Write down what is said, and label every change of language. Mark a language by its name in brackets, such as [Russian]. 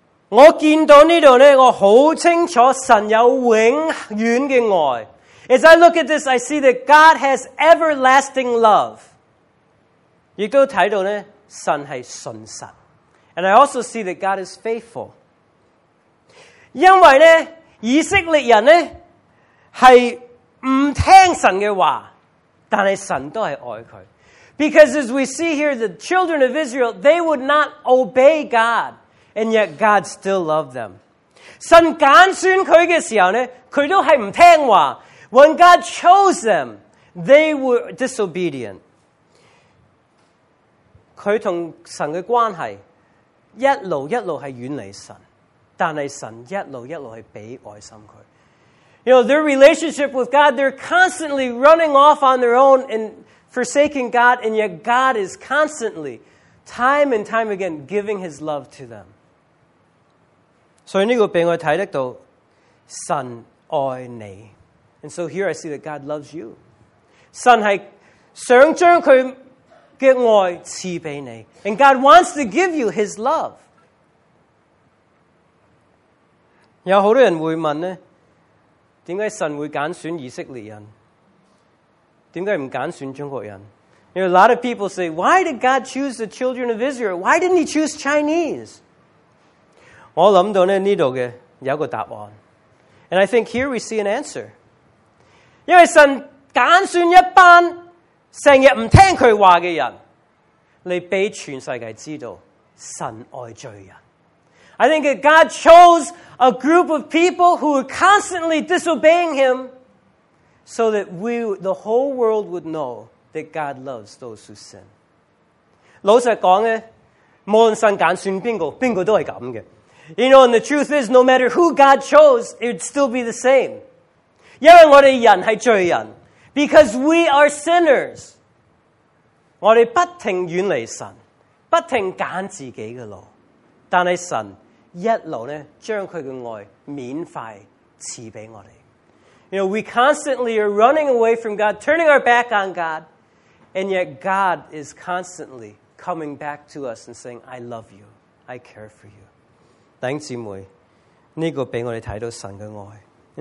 [Chinese] 我见到呢度咧，我好清楚神有永远嘅爱。 [English] As I look at this, I see that God has everlasting love. [Chinese] 亦都睇到咧，神系信实。 [English] And I also see that God is faithful. [Chinese] 因为咧，以色列人咧系唔听神嘅话。但是神都是爱他。 [English] Because as we see here, the children of Israel, they would not obey God, and yet God still loved them. [Chinese] 神拣选他的时候呢，他都是不听话。 [English] When God chose them, they were disobedient. [Chinese] 他跟神的关系一路一路是远离神，但是神一路一路是给爱心他。 [English] You know, their relationship with God, they're constantly running off on their own and forsaking God, and yet God is constantly, time and time again, giving His love to them. [Chinese] So, 呢个俾我睇得到，神爱你。 [English] And so here I see that God loves you. [Chinese] 神系想将佢嘅爱赐俾你。 [English] And God wants to give you His love. [Chinese] 有好多人会问呢，为什么神会拣选以色列人？为什么不拣选中国人？ [English] You know, a lot of people say, why did God choose the children of Israel? Why didn't he choose Chinese? [Chinese] 我想到呢，这里的有个答案。 [English] And I think here we see an answer. [Chinese] 因为神拣选一班成日不听他话的人，来被全世界知道神爱罪人。 [English] I think that God chose a group of people who were constantly disobeying Him so that we, the whole world would know that God loves those who sin. [Chinese] 老實講呢, 無論神揀選誰都是這樣的。 [English] You know, and the truth is, no matter who God chose, it would still be the same. [Chinese] 因為我們人是罪人, [English] because we are sinners. [Chinese] 我們不停遠離神, 不停揀自己的路, 但是神, 一路將祂的愛免費賜給我們. [English] You know, we constantly are running away from God, turning our back on God, and yet God is constantly coming back to us and saying, I love you, I care for you. [Chinese] 弟兄姊妹,这个给我们看到神的爱.